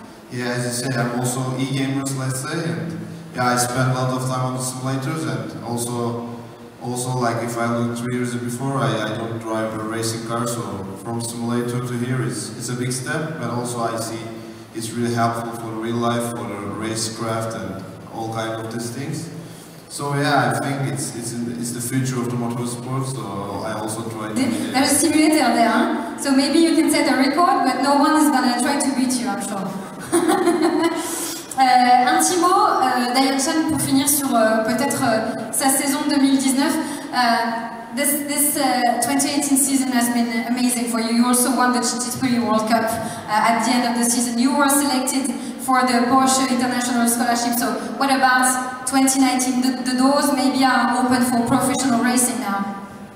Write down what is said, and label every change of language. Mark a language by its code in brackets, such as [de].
[en] Yeah, as you say, I'm also e-gamers, let's say, and yeah, I spend a lot of time on the simulators, and also like if I looked 3 years before, I don't drive a racing car, so from simulator to here, it's a big step, but also I see it's really helpful for real life, for the racecraft and all kind of these things. So yeah, I think it's the future of the motorsport, so I also try to... There's a simulator there, huh? So maybe you can set a record, but no one is gonna try to beat you, I'm sure. [fr] un petit mot d'Ayhancan pour finir sur peut-être sa saison 2019. [en] This 2018 season has been amazing for you. You also won the GT3 World Cup at the end of the season. You were selected for the Porsche International Scholarship. So what about 2019? The doors maybe are open for professional racing now.